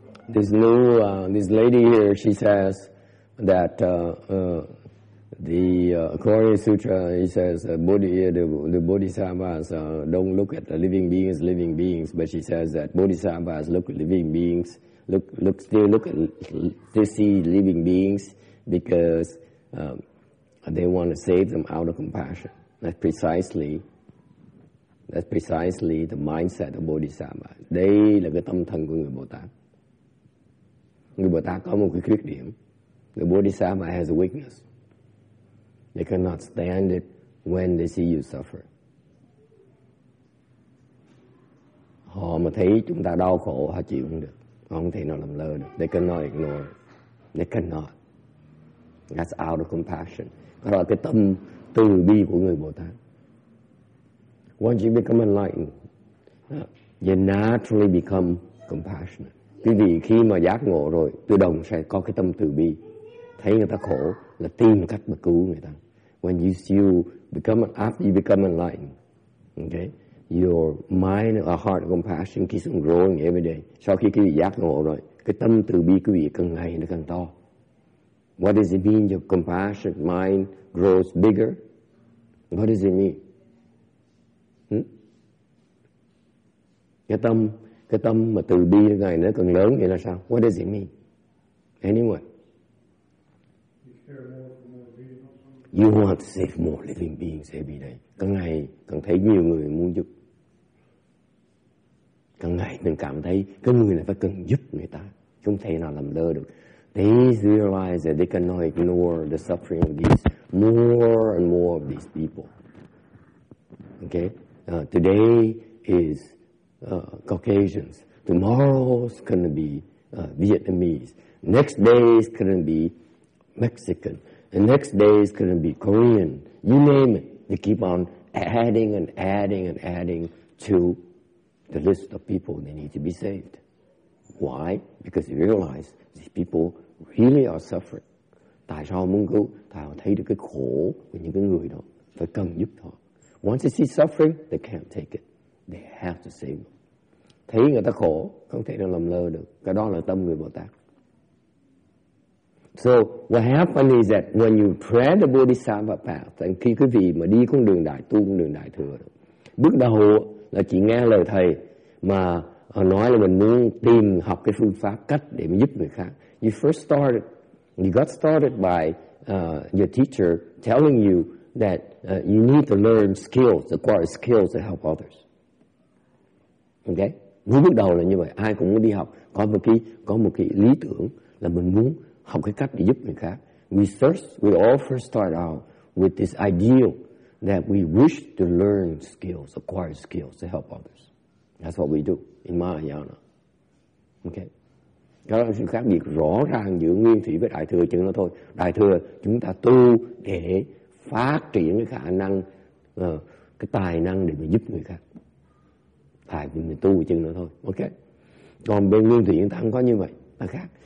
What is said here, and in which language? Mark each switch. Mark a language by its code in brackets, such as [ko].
[en] This lady here, she says that according to sutra, he says the bodhisattvas don't look at the living beings, but she says that bodhisattvas look at living beings, still see living beings because they want to save them out of compassion. That's precisely the mindset of bodhisattva. [vi] Đây là cái tâm thần của người Bồ Tát. Người Bồ Tát có một cái khuyết điểm. [en] The Bodhisattva has a weakness. They cannot stand it when they see you suffer. [vi] Họ mà thấy chúng ta đau khổ, họ chịu không được. Họ không thể nào làm lơ được. [en] They cannot ignore it. They cannot. That's out of compassion. [vi] Đó là cái tâm từ bi của người Bồ Tát. [en] Once you become enlightened, you naturally become compassionate. [vi] Quý vị khi mà giác ngộ rồi, tự động sẽ có cái tâm từ bi. Thấy người ta khổ là tìm cách mà cứu người ta. [en] When you become, after you become enlightened, okay, your mind or heart compassion keeps on growing every day. [vi] Sau khi quý vị giác ngộ rồi, cái tâm từ bi quý vị càng ngày nó càng to. [en] What does it mean your compassionate mind grows bigger? What does it mean? [vi] Cái tâm mà từ bi cái ngày nó còn lớn nghĩa là sao? [en] What does it mean? Anyone? You want to save more living beings every day. [vi] Càng ngày càng thấy nhiều người muốn giúp. Càng ngày mình cảm thấy cái người này phải cần giúp người ta. Không thể nào làm lơ được. [en] They realize that they cannot ignore the suffering of these more and more of these people. Okay? Today is Caucasians. Tomorrow's gonna be Vietnamese. Next day's gonna be Mexican. The next day's gonna be Korean. You name it. They keep on adding and adding and adding to the list of people they need to be saved. Why? Because you realize these people really are suffering. [vi] Tại sao muốn cứu? Tại họ thấy được cái khổ của những cái người đó. Phải cần giúp họ. [en] Once they see suffering, they can't take it. They have to save them. [vi] thấy người ta khổ, không thể nào làm lơ được. Cái đó là tâm người Bồ Tát. [en] So what happens is that when you tread the Bodhisattva path, and [vi] khi quý vị mà đi con đường đại tu, con đường đại thừa, bước đầu là chỉ nghe lời thầy mà nói là mình muốn tìm học cái phương pháp cách để mình giúp người khác. [en] You first started, you got started by your teacher telling you that you need to learn skills, acquire skills to help others. Okay? [vi] Với bước đầu là như vậy, ai cũng muốn đi học, có một cái lý tưởng là mình muốn học cái cách để giúp người khác. [en] We all first start out with this ideal that we wish to learn skills, acquire skills to help others. That's what we do in Mahayana. Okay? [vi] Đó là sự khác biệt rõ ràng giữa nguyên thủy với đại thừa, chứ nó thôi. Đại thừa chúng ta tu để phát triển cái khả năng, cái tài năng để mà giúp người khác. Tài mình tu chừng nữa thôi. Okay? Còn bên nguyên thủy chúng ta không có như vậy, là khác.